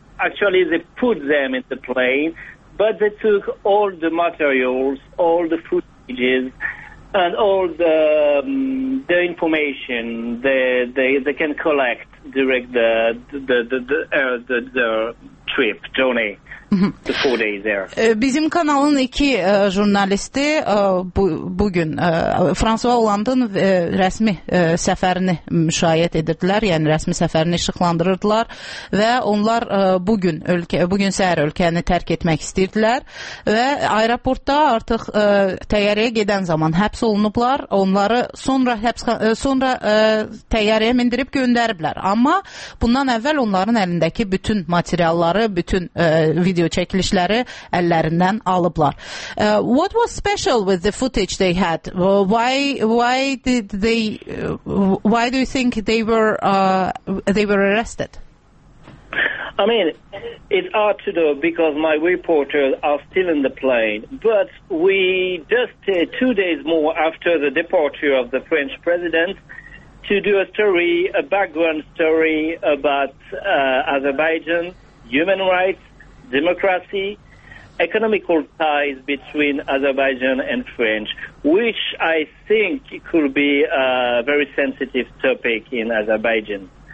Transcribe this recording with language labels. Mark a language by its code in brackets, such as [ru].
[en] Actually, they put them in the plane, but they took all the materials, all the footage, and all the information they can collect during the trip, journey, the 4 days there. [az] Bizim kanalın iki jurnalisti bugün Fransua Hollande'ın rəsmi səfərini müşahidə edirdilər, yəni rəsmi səfərini işıqlandırırdılar və onlar bugün səhər ölkəni tərk etmək istəyirdilər və aeroportda artıq təyyarəyə gedən zaman həbs olunublar, onları sonra təyyarəyə mindirib göndəriblər. Amma bundan əvvəl onların əlindəki bütün materialları, bütün video çəkilişləri əllərindən alıblar. [en] What was special with the footage they had? Why do you think they were arrested? I mean, it's hard to know because my reporters are still in the plane, but we just 2 days more after the departure of the French president to do a background story about Azerbaijan, human rights, democracy, economical ties between Azerbaijan and France, which I think could be a very sensitive topic in Azerbaijan.